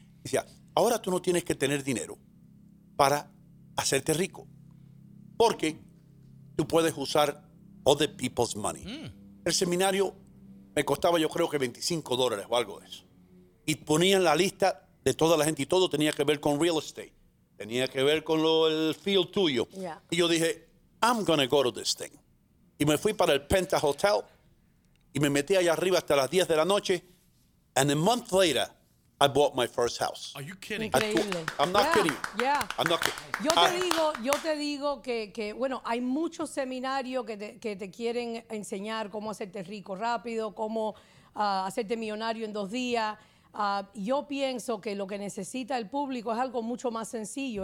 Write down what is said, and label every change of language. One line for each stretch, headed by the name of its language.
Spanish: Decía, ahora tú no tienes que tener dinero para hacerte rico. Porque tú puedes usar
English: other people's money.
Spanish: Mm. El seminario me costaba, yo creo que $25 o algo de eso. Y ponían la lista de toda la gente y todo tenía que ver con real estate. Tenía que ver con el field tuyo.
English: Yeah.
Spanish: Y yo dije,
English: I'm going to go to this thing.
Spanish: Y me fui para el Penta Hotel y me metí allá arriba hasta las 10 de la noche.
English: And a month later, I bought my first house. Are you kidding?
Spanish: Increíble.
English: I'm not kidding.
Spanish: Yo te digo que bueno, hay muchos seminarios que te quieren enseñar cómo hacerte rico rápido, cómo hacerte millonario en 2 días. Yo pienso que lo que necesita el público es algo mucho más sencillo.